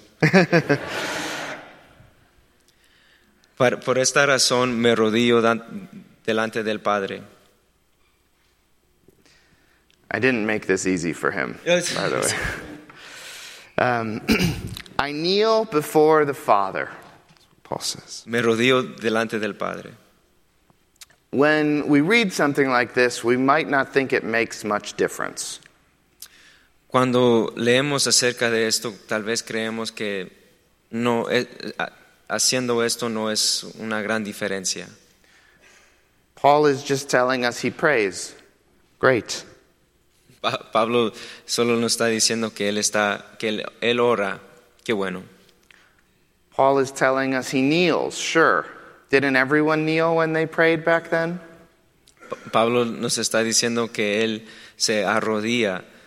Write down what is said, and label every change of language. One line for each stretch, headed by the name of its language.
Spanish: Por esta razón me rodillo delante del Padre.
English: I didn't make this easy for him, by the way. I kneel before the Father. Paul says.
Spanish: Me rodillo delante del Padre.
English: When we read something like this, we might not think it makes much difference.
Spanish: Cuando leemos acerca de esto, tal vez creemos que no haciendo esto no es una gran diferencia.
English: Paul is just telling us he prays. Great.
Spanish: Pablo solo nos está diciendo que él ora. Qué bueno.
English: Paul is telling us he kneels. Sure. Didn't everyone kneel when they prayed back then?
Spanish: Pablo nos está diciendo que él se arrodilla.